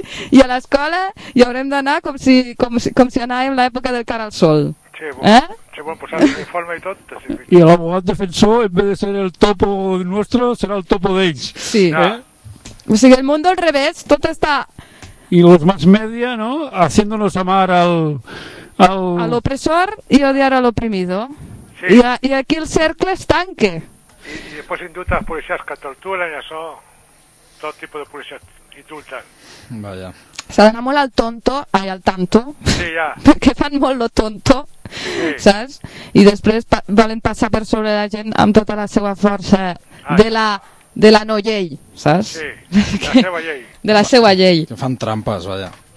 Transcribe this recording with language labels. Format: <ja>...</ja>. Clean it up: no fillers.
<ca>I a l'escola hi haurem d'anar com si anàvem a l'època del cara al sol. Sí, bueno, posar l'informe i tot. I l'abogat defensor,</ca> <es>en vez de ser el topo nuestro,</es> <ca>serà el topo d'ells. Sí. Ja. O sigui, el món del revés, tot està...</ca> <es>Y los más media, ¿no? Haciéndonos amar al opresor y odiar al oprimido. Sí.</es> <ca>Y aquí el cercle es tanque.</ca> <es>Y después indultan a las policías que torturan y eso, todo tipo de policías indultan. Vaya.</es> <ca>S'ha d'anar molt al tonto, ai, al tanto, sí, ja. Perquè fan molt lo tonto, sí. Saps? I després volen passar per sobre la gent amb tota la seva força de la... De la no llei, saps? Sí, de la seva llei. Que fan trampes, vaja.</ca>